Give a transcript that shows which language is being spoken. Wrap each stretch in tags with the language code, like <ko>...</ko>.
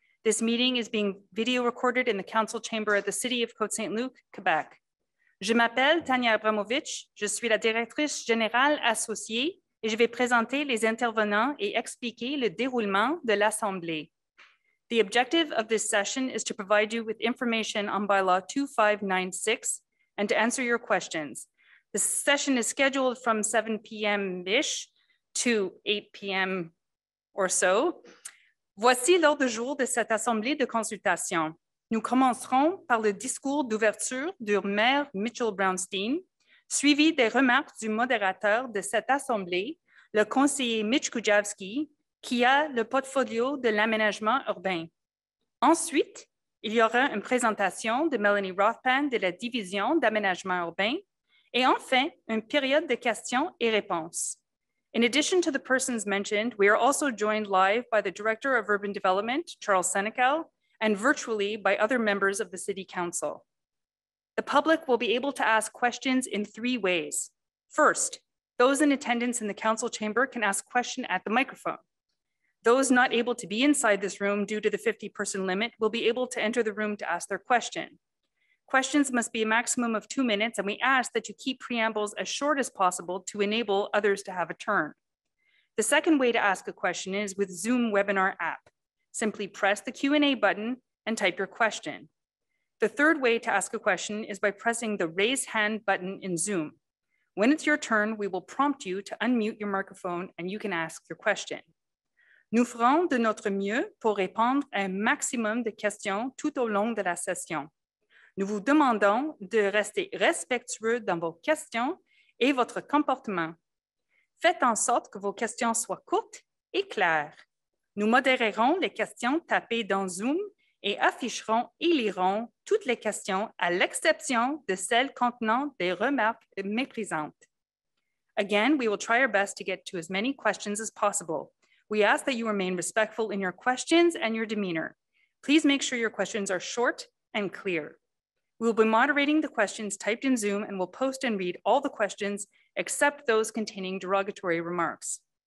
<en>This meeting is being video recorded in the council chamber of the city of Côte-Saint-Luc, Quebec.</en> <fr>Je m'appelle Tania Abramovich. Je suis la directrice générale associée et je vais présenter les intervenants et expliquer le déroulement de l'Assemblée.</fr> <en>The objective of this session is to provide you with information on bylaw 2596 and to answer your questions. The session is scheduled from 7 p.m.-ish to 8 p.m. or so.</en> <fr>Voici l'ordre du jour de cette Assemblée de consultation. Nous commencerons par le discours d'ouverture du maire Mitchell Brownstein, suivi des remarques du modérateur de cette Assemblée, le conseiller Mitch Kujawski, qui a le portfolio de l'aménagement urbain. Ensuite, il y aura une présentation de Melanie Rothpan de la division d'aménagement urbain et enfin, une période de questions et réponses.</fr> <en>In addition to the persons mentioned, we are also joined live by the Director of Urban Development, Charles Senecal, and virtually by other members of the City Council. The public will be able to ask questions in three ways. First, those in attendance in the council chamber can ask questions at the microphone. Those not able to be inside this room due to the 50-person limit will be able to enter the room to ask their question. Questions must be a maximum of 2 minutes, and we ask that you keep preambles as short as possible to enable others to have a turn. The second way to ask a question is with Zoom webinar app. Simply press the Q&A button and type your question. The third way to ask a question is by pressing the raise hand button in Zoom. When it's your turn, we will prompt you to unmute your microphone and you can ask your question.</en> <fr>Nous ferons de notre mieux pour répondre à un maximum de questions tout au long de la session. Nous vous demandons de rester respectueux dans vos questions et votre comportement. Faites en sorte que vos questions soient courtes et claires. Nous modérerons les questions tapées dans Zoom et afficherons et lirons toutes les questions à l'exception de celles contenant des remarques méprisantes.</fr> <en>Again, we will try our best to get to as many questions as possible. We ask that you remain respectful in your questions and your demeanor. Please make sure your questions are short and clear. We will be moderating the questions typed in Zoom and will post and read all the questions except those containing derogatory remarks.</en>